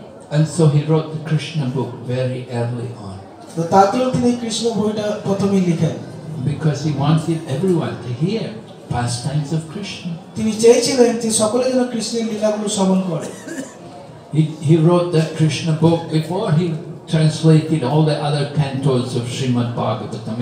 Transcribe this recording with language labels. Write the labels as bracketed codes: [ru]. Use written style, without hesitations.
[en] And so he wrote the Krishna book very early on. [bn] তো তাতেও তিনি কৃষ্ণ বইটা প্রথমেই লিখেন [en] because he wants everyone to hear pastimes of krishna [bn] তিনি চাইছিলেন যে সকলে যেন কৃষ্ণের লীলাগুলো শ্রবণ করে [en] he wrote that krishna book before he translated all the other cantos of Srimad Bhagavatam.